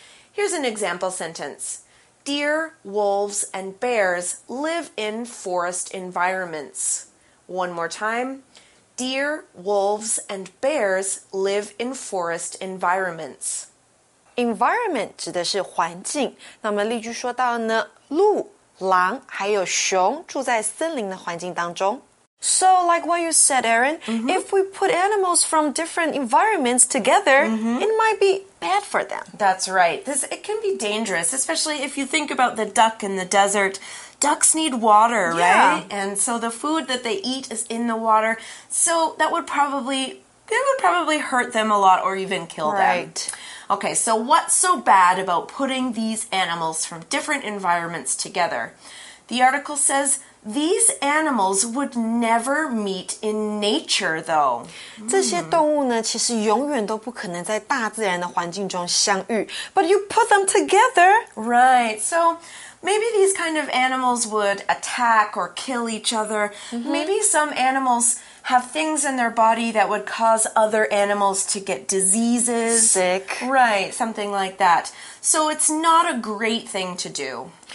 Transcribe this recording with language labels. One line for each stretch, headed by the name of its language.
English: Here's an example sentence. Deer, wolves, and bears live in forest environments. One more time. deer, wolves, and bears live in forest environments.
Chinese: Environment 指的是环境。那么例句说到呢，鹿、狼还有熊住在森林的环境当中。
English: So, like what you said, Aaron,、mm-hmm. if we put animals from different environments together,、mm-hmm. it might be bad for them. That's right. It can be dangerous, especially if you think about the duck in the desert. Ducks need water,、 yeah. right? And so the food that they eat is in the water. So that would probably hurt them a lot or even kill、 right. them. Okay, so what's so bad about putting these animals from different environments together? The article says... These animals would never meet in nature, though.
Chinese: 这些动物呢，其实永远都不可能在大自然的环境中相遇。
English: But you put them together. Right. So maybe these kind of animals would attack or kill each other.、Mm-hmm. Maybe some animals have things in their body that would cause other animals to get diseases. Sick. Right. Something like that. So it's not a great thing to do.